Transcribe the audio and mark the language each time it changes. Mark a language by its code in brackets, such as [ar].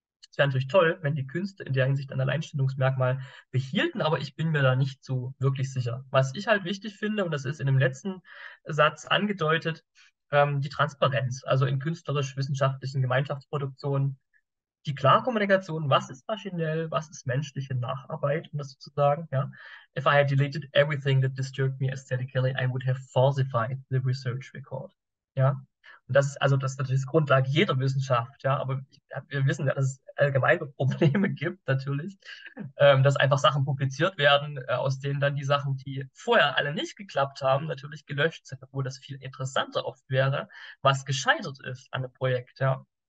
[de] Es wäre natürlich toll, wenn die Künste in der Hinsicht ein Alleinstellungsmerkmal behielten, aber ich bin mir da nicht so wirklich sicher. Was ich halt wichtig finde, und das ist in dem letzten Satz angedeutet, die Transparenz, also in künstlerisch-wissenschaftlichen Gemeinschaftsproduktionen, die Klarkommunikation, was ist maschinell, was ist menschliche Nacharbeit, um das so zu sagen, ja. [en] If I had deleted everything that disturbed me aesthetically, I would have falsified the research record, ja. [de] Und das ist also das natürlich Grundlage jeder Wissenschaft, ja, aber wir wissen ja, dass es allgemeine Probleme gibt, natürlich, dass einfach Sachen publiziert werden, aus denen dann die Sachen, die vorher alle nicht geklappt haben, natürlich gelöscht sind, obwohl das viel interessanter oft wäre, was gescheitert ist an einem Projekt, ja.